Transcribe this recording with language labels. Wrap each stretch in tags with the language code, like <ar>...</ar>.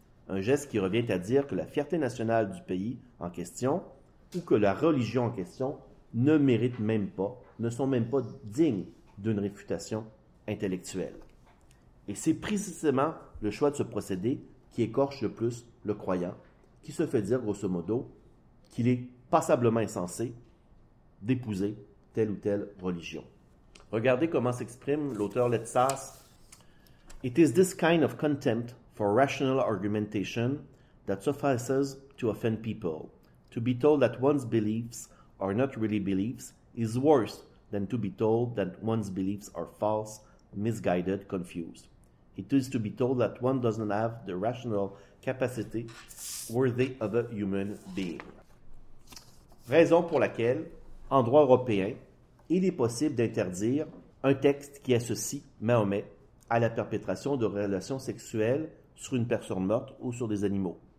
<fr>Un geste qui revient à dire que la fierté nationale du pays en question ou que la religion en question ne mérite même pas, ne sont même pas dignes d'une réfutation intellectuelle. Et c'est précisément le choix de ce procédé qui écorche le plus le croyant, qui se fait dire grosso modo qu'il est passablement insensé d'épouser telle ou telle religion. Regardez comment s'exprime l'auteur Letsas.</fr> <en>« It is this kind of contempt for rational argumentation that suffices to offend people. To be told that one's beliefs are not really beliefs is worse than to be told that one's beliefs are false, misguided, confused. It is to be told that one doesn't have the rational capacity worthy of a human being.</en> <fr>» Raison pour laquelle, en droit européen, il est possible d'interdire un texte qui associe Mahomet à la perpétration de relations sexuelles sur une personne morte ou sur des animaux.</fr>